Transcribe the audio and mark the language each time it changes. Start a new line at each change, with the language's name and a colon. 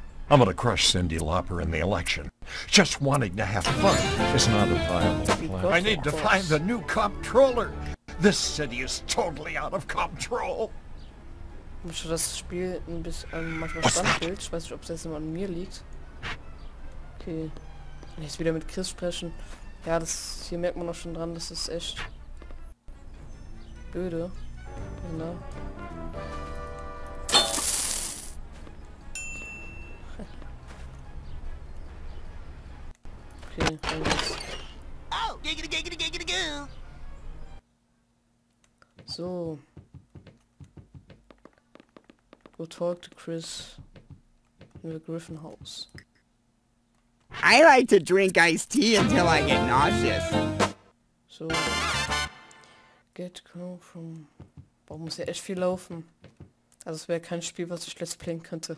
English: I'm gonna crush Cindy Lauper in the election. Just wanting to have fun is not a viable plan. I need to find the new comptroller. This city is totally out of control.
German: Ich muss das Spiel ein bisschen manchmal standbild. Ich weiß nicht, ob es jetzt immer an mir liegt. Okay. Jetzt wieder mit Chris sprechen. Ja, das hier merkt man auch schon dran, das ist echt blöde. Genau. Okay, alles.
English: Oh, giggity, giggity, giggity, go. So. Go talk to Chris in the Griffin House. I like to drink iced tea until I get nauseous. So. Get Crow from...
German: Boah, muss ja echt viel laufen. Also es wäre kein Spiel, was ich let's playen könnte.